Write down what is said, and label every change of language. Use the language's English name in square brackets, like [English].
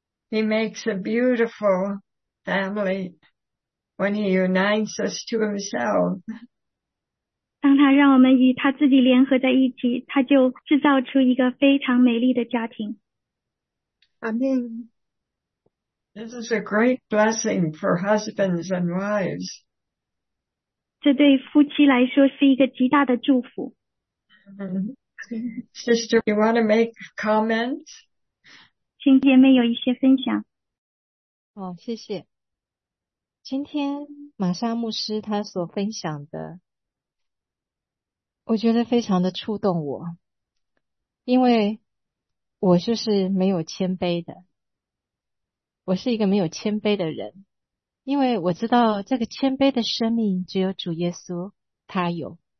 [English] He makes a beautiful family. When he unites us to himself. [Chinese] 当他让我们与他自己联合在一起，他就制造出一个非常美丽的家庭。 [English] Amen. This is a great blessing for husbands and wives. [Chinese] 这对夫妻来说是一个极大的祝福。 [English] Sister, you want to make comments? [Chinese] 请姐妹有一些分享。哦，谢谢。今天玛莎牧师他所分享的，我觉得非常的触动我，因为我就是没有谦卑的，我是一个没有谦卑的人，因为我知道这个谦卑的生命只有主耶稣他有。